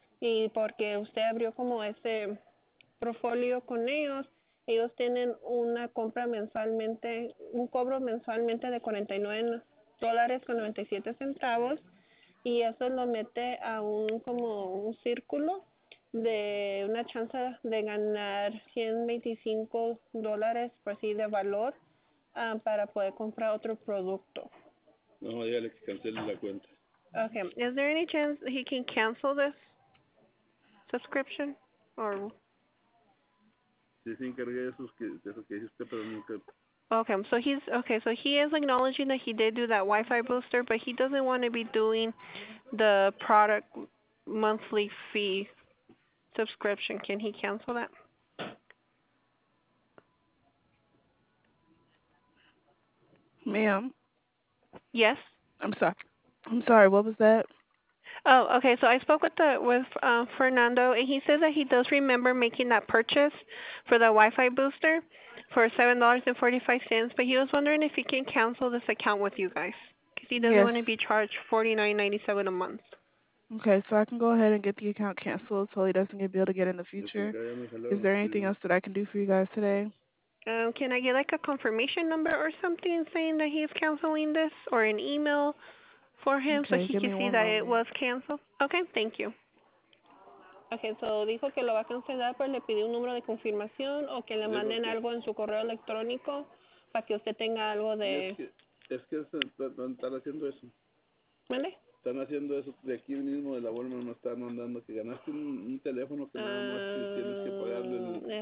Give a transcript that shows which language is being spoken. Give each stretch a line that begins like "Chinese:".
Spanish: Y porque usted abrió como ese portfolio con ellos, ellos tienen una compra mensualmente, un cobro mensualmente de $49.97, y eso lo mete a un como un círculo de una chance de ganar $125 por así de valor para poder comprar otro producto. No, dígale que cancele la cuenta. Okay.
English: Is there any chance he can cancel this subscription? Or...
Spanish: Sí, se encargué de eso que dice usted, pero nunca...
English: Okay, so he is acknowledging that he did do that Wi-Fi booster, but he doesn't want to be doing the product monthly fee subscription. Can he cancel that? Ma'am? Yes? I'm sorry, what was that? Oh, okay, so I spoke with Fernando, and he said that he does remember making that purchase for the Wi-Fi booster for $7.45, but he was wondering if he can cancel this account with you guys because he doesn't yes. want to be charged $49.97 a month. Okay, so I can go ahead and get the account canceled so he doesn't get billed again in the future. Is there anything else that I can do for you guys today? Can I get like a confirmation number or something saying that he's canceling this or an email for him okay, so he can see that it was canceled? Okay, thank you.
Spanish: Okay, so dijo que lo va a cancelar, pero le pidió un número de confirmación o que le manden algo en su correo electrónico para que usted tenga algo de... Es que están haciendo eso. ¿Vale? Están haciendo eso de aquí mismo, de la Walmart, no están mandando que ganaste un teléfono que nada más tienes que pagarle.